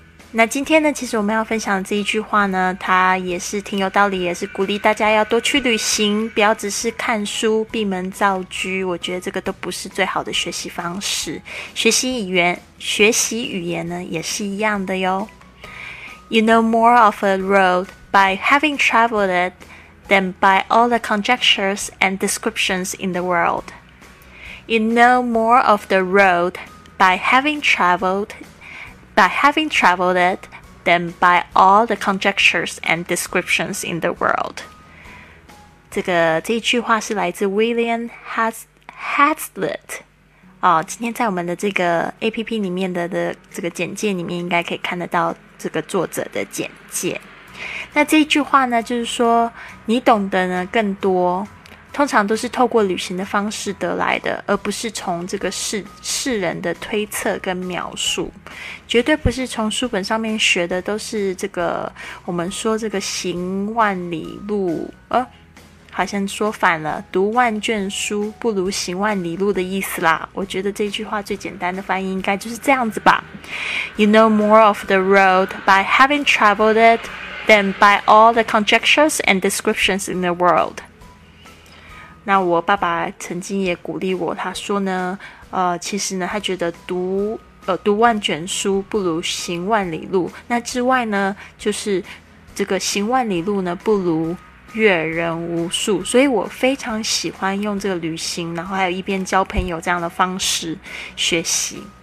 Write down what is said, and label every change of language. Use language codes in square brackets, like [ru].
[zh] 那今天呢，其实我们要分享的这一句话呢，它也是挺有道理，也是鼓励大家要多去旅行，不要只是看书闭门造车。我觉得这个都不是最好的学习方式。学习语言呢也是一样的哟。 [en] You know more of a road by having traveled it than by all the conjectures and descriptions in the world. You know more of the road by having travelled it than by all the conjectures and descriptions in the world. [zh] 这句话是来自 William Hazlitt、今天在我们的这个 APP 里面的这个简介里面，应该可以看得到这个作者的简介。那这一句话呢，就是说你懂得呢更多，通常都是透过旅行的方式得来的，而不是从这个 世人的推测跟描述，绝对不是从书本上面学的，都是这个我们说这个行万里路好像说反了，读万卷书不如行万里路的意思啦。我觉得这句话最简单的翻译应该就是这样子吧。 [en] You know more of the road by having traveled it than by all the conjectures and descriptions in the world。 [zh] 那我爸爸曾经也鼓励我，他说呢，其实呢，他觉得读万卷书不如行万里路。那之外呢，就是这个行万里路呢，不如阅人无数。所以我非常喜欢用这个旅行，然后还有一边交朋友这样的方式学习。